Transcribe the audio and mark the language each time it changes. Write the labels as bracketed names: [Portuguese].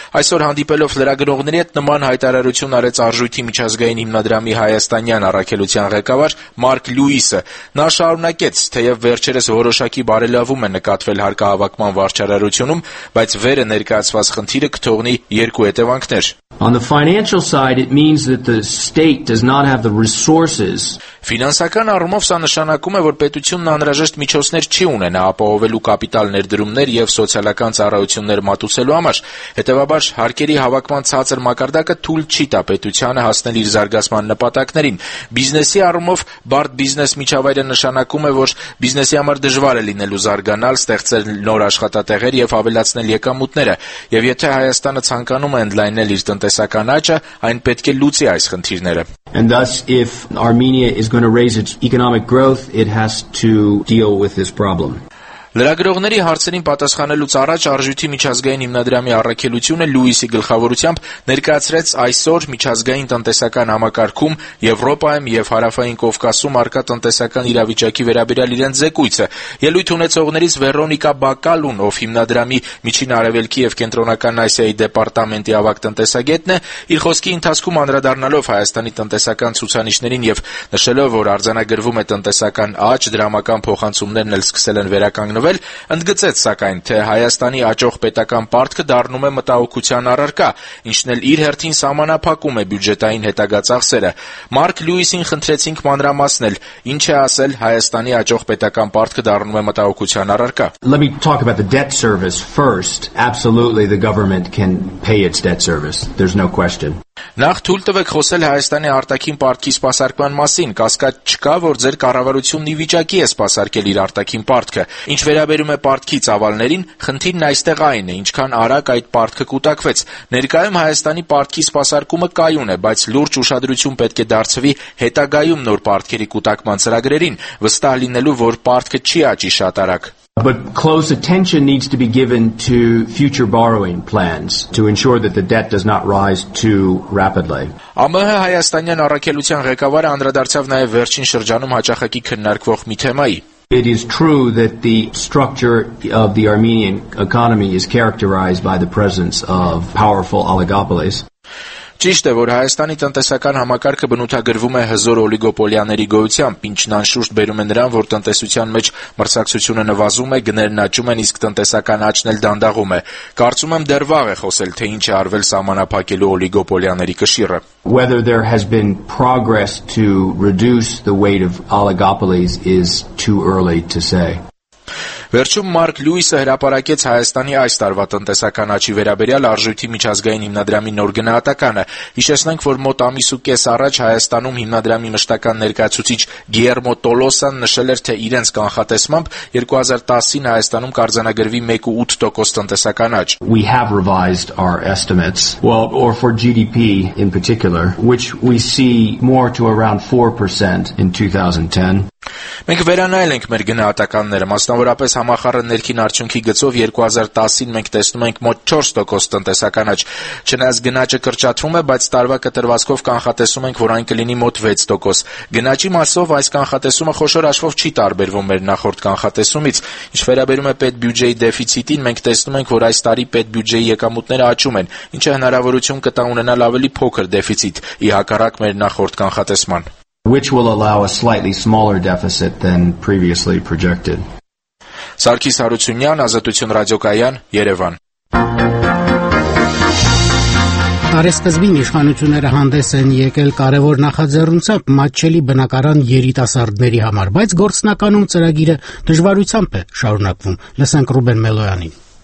[Armenian] Այսօր հանդիպելով լրագրողների հետ նման հայտարարություն արեց Արժույթի միջազգային հիմնադրամի հայաստանյան առաքելության ղեկավար Մարկ Լուիսը։ Նա շարունակեց, թեև վերջերս որոշակի բարելավում է նկատվել հարկահավաքման վարչարարություն, բայց վերը ներկայացված խնդիրը կթողնի երկու հետևանքներ։ [English] On the financial side, it means that the state does not have the resources. [Armenian] Ֆինանսական առումով սա նշանակում է, որ պետությունն անհրաժեշտ միջոցներ չի ունենա ապահովելու կապիտալ ներդրումներ և սոցիալական ծառայություններ մատուցելու համար։ Հետևաբար հարկերի հավաքման ցածր մակարդակը թույլ չի տա պետությանը հասնել իր զարգացման նպատակներին։ Բիզնեսի առումով բարդ բիզնես միջավայրը նշանակում է, որ բիզնեսի համար դժվար է լինելու զարգանալ, ստեղծել նոր աշխատատեղեր և ավելացնել եկամուտները։ Եվ եթե Հայաստանը ցանկանում է ընդլայնել իր տնտեսական աճը, այն պետք է լուծի այս խնդիրները։ [English] And thus, if Armenia is going to raise its economic growth, it has to deal with this problem. [Armenian] Լրագրողների հարցերին պատասխանելուց առաջ արժույթի միջազգային հիմնադրամի առաքելությունը Լուիսի գլխավորությամբ ներկայացրեց այսօր միջազգային տնտեսական համակարգում Եվրոպայում և Հարավային Կովկասում առկա տնտեսական իրավիճակի վերաբերյալ իրեն զեկույցը։ Ելույթ ունեցողներից Վերոնիկա Բակալուն, ով հիմնադրամի միջին արևելքի և կենտրոնական Ասիայի դեպարտամենտի ավագ տնտեսագետն է, իր խոսքի ընթացքում անդրադառնալով Հայաստանի տնտեսական ցուցանիշներին և նշելով, որ արձանագրվում է տնտեսական աճ, դրամական փոխանցումներն էլ սկսել են վերակ անգնվել, ընդգծեց սակայն, թե Հայաստանի աճող պետական պարտքը դառնում է մտահոգության առարկա, ինչն էլ իր հերթին սահմանափակում է բյուջետային հետագա ծախսերը։ Մարկ Լյուիսին խնդրեցինք մանրամասնել, ինչ է ասել Հայաստանի աճող պետական պարտքը դառնում է մտահոգության առարկա։ [English] Let me talk about the debt service first. Absolutely, the government can pay its debt service. There's no question. [Armenian] Նախ թույլ տվեք խոսել Հայաստանի արտաքին պարտքի սպասարկման մասին, կասկած չկա, որ ձեր կառավարությունն ի վիճակի է սպասարկել իր արտաքին պարտքը։ Ինչ վերաբերում է պարտքի ծավալներին, խնդիրն այստեղ այն է, ինչքան արագ այդ պարտքը կուտակվեց։ Ներկայում Հայաստանի պարտքի սպասարկումը կայուն է, բայց լուրջ ուշադրություն պետք է դարձվի հետագայում նոր պարտքերի կուտակման ծրագրերին, վստահ լինելու, որ պարտքը չի աճի շատ արագ։ [English] But close attention needs to be given to future borrowing plans to ensure that the debt does not rise too rapidly. [Armenian] ԱՄՀ Հայաստանյան առաքելության ղեկավարը անդրադարձավ նաև վերջին շրջանում հաճախակի քննարկվող մի թեմայի։ [English] It is true that the structure of the Armenian economy is characterized by the presence of powerful oligopolies. [Armenian] Ճիշտ է, որ Հայաստանի տնտեսական համակարգը բնութագրվում է հզոր օլիգոպոլիաների գոյությամբ, ինչն անշուշտ բերում է նրան, որ տնտեսության մեջ մրցակցությունը նվազում է, գներն աճում են, իսկ տնտեսական աճն էլ դանդաղում է։ Կարծում եմ, դեռ վաղ է խոսել, թե ինչ է արվել սահմանափակելու օլիգոպոլիաների կշիռը։ [English] Whether there has been progress to reduce the weight of oligopolies is too early to say. [Armenian] Վերջում Մարկ Լյուիսը հրապարակեց Հայաստանի այս տարվա տնտեսական աճի վերաբերյալ արժույթի միջազգային հիմնադրամի նոր գնահատականը։ Հիշեցնենք, որ մոտ ամիս ու կես առաջ Հայաստանում հիմնադրամի մշտական ներկայացուցիչ Գիերմո Տոլոսան նշել էր, թե իրենց կանխատեսմամբ 2010-ին Հայաստանում կարձանագրվի 1.8% տնտեսական աճ։ [English] We have revised our estimates, well, or for GDP in particular, which we see more to around 4% in 2010. [Armenian] Մենք վերանայել ենք մեր գնահատականները, մասնավորապես համախառը ներքին արդյունքի գծով 2010-ին մենք տեսնում ենք մոտ 4% տնտեսական աճ, չնայած գնաճը կրճատվում է, բայց տարվա կտրվածքով կանխատեսում ենք, որ այն կլինի մոտ 6%։ Գնաճի մասով այս կանխատեսումը խոշոր աշվով չի տարբերվում մեր նախորդ կանխատեսումից։ Ինչ վերաբերում է պետ բյուջեի դեֆիցիտին, մենք տեսնում ենք, որ այս տարի պետ բյուջեի եկամուտները աճում են, ինչը հնարավորություն կտա ունենալ ավելի փոքր դեֆիցիտ ի հակառակ մեր նախորդ կանխատեսման, [English] which will allow a slightly smaller deficit than previously projected. [Armenian] Սարգիս Հարությունյան, Ազատություն ռադիոկայան, Երևան։ Արեսպզբին իշխանությունները հանդես են եկել կարևոր նախաձեռնությամբ մատչելի բնակարան երիտասարդների համար, բայց գործնականում ծրագիրը դժվարությամբ է շարունակվում։ Լսենք Ռուբեն Մելոյանին։